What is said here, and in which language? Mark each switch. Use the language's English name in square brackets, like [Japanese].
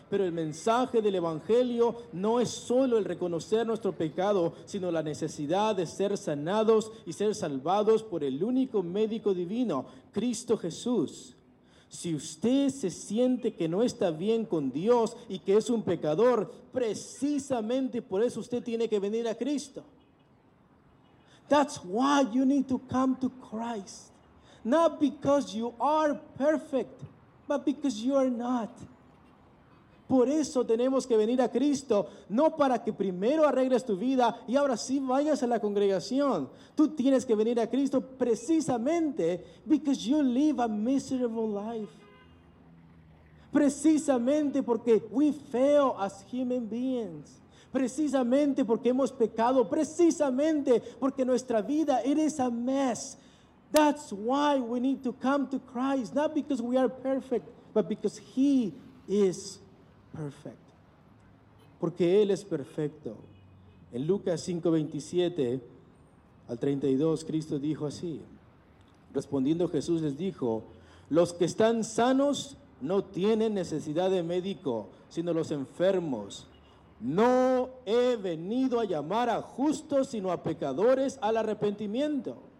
[Spanish] Pero el mensaje del Evangelio no es solo el reconocer nuestro pecado, sino la necesidad de ser sanados y ser salvados por el único médico divino, Cristo Jesús. Si usted se siente que no está bien con Dios y que es un pecador, precisamente por eso usted tiene que venir a Cristo. [English] That's why you need to come to Christ. Not because you are perfect, but because you are not. [Spanish] Por eso tenemos que venir a Cristo, no para que primero arregles tu vida y ahora sí vayas a la congregación. Tú tienes que venir a Cristo precisamente because you live a miserable life. [English] Precisamente porque we fail as human beings. [Spanish] Precisamente porque hemos pecado, precisamente porque nuestra vida, it is a mess. [English] That's why we need to come to Christ, not because we are perfect, but because He is perfect. [Spanish] Porque Él es perfecto. En Lucas 5:27 al 32, Cristo dijo así, respondiendo Jesús les dijo, los que están sanos no tienen necesidad de médico, sino los enfermos. No he venido a llamar a justos, sino a pecadores al arrepentimiento.